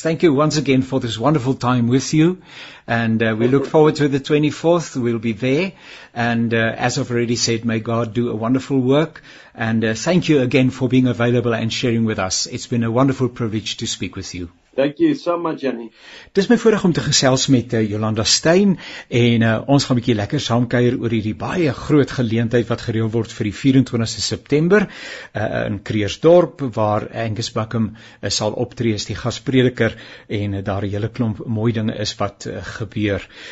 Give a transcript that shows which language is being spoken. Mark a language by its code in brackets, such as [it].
[en] Thank you once again for this wonderful time with you. And we look forward to the 24th. We'll be there. And as I've already said, may God do a wonderful work. And thank you again for being available and sharing with us. It's been a wonderful privilege to speak with you. Thank you so much, Jenny. [af] Dit is my voorreg om te gesels met Jolanda Steyn. En ons gaan 'n bietjie lekker saamkuier oor hierdie baie groot geleentheid wat gereël word vir die 24ste September in Kreersdorp, waar Angus Buckham sal optree as die gasprediker en daar 'n hele klomp mooi dinge is wat gebeur.